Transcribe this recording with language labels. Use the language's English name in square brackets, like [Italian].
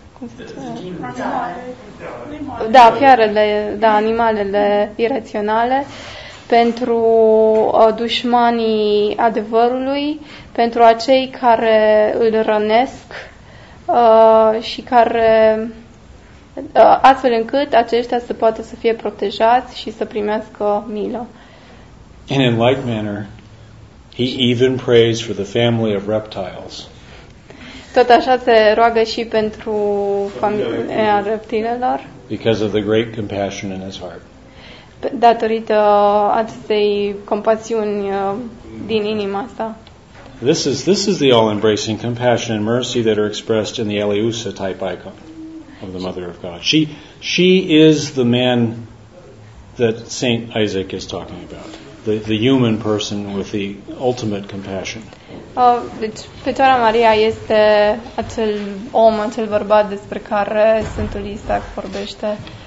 [Romanian] Cum se zice? Da, fiarele, da, animalele iraționale, pentru dușmanii adevărului, pentru acei care îl rănesc și care astfel încât aceștia să poată să fie protejați și să primească milă. [English] And in like manner, he even prays for the family of reptiles. [Romanian] Tot așa se roagă și pentru familia reptilelor. [English] Because of the great compassion in his heart. [Romanian] Datorită acestei compasiuni din inima sa. [English] This is the all-embracing compassion and mercy that are expressed in the Eleusa type icon of the Mother of God. She is the man that Saint Isaac is talking about. The human person with the ultimate compassion. [Romanian] Deci, Fecioara Maria este acel om, acel bărbat despre care Sfântul Isaac vorbește.